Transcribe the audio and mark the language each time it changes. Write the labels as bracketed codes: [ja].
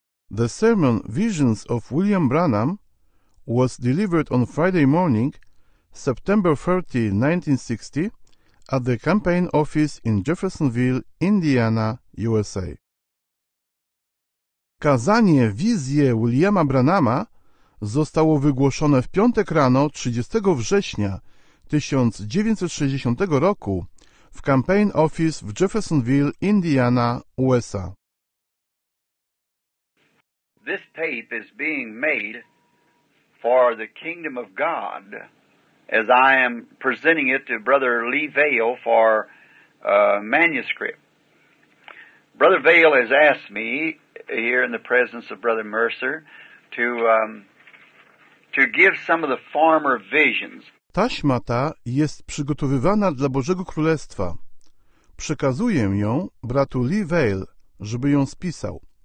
[en] The sermon Visions of William Branham was delivered on Friday morning, September 30, 1960, at the campaign office in Jeffersonville, Indiana, USA. [pl] Kazanie Wizje Williama Branhama zostało wygłoszone w piątek rano 30 września 1960 roku w campaign office w Jeffersonville, Indiana, USA. [en] This tape is being made for the kingdom of God as I am presenting it to Brother Lee Vail for manuscript. Brother Vail has asked me here in the presence of Brother Mercer to give some of the former visions. [pl] Taśma ta jest przygotowywana dla Bożego Królestwa. Przekazuję ją bratu Lee Vail, żeby ją spisał.